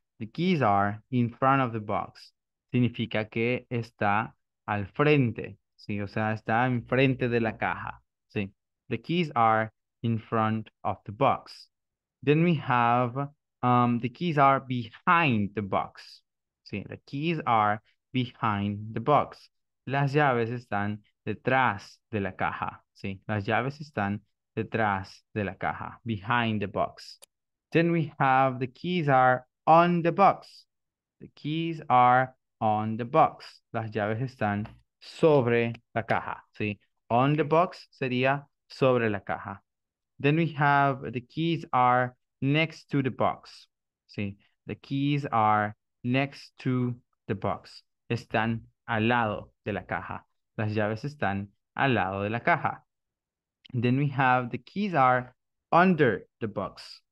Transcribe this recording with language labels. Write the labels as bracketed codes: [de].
[en] The keys are in front of the box. [es] Significa que está al frente. Sí. O sea, está enfrente de la caja. Sí. [en] The keys are in front of the box. Then we have the keys are behind the box. [es] Sí. [en] The keys are behind the box. [es] Las llaves están detrás de la caja. Sí. Las llaves están detrás de la caja, [en] behind the box. Then we have the keys are on the box. The keys are on the box. [es] Las llaves están sobre la caja, ¿sí? [en] On the box [es] sería sobre la caja. [en] Then we have the keys are next to the box, ¿sí? The keys are next to the box. [es] Están al lado de la caja. Las llaves están al lado de la caja. [en] Then we have the keys are under the box.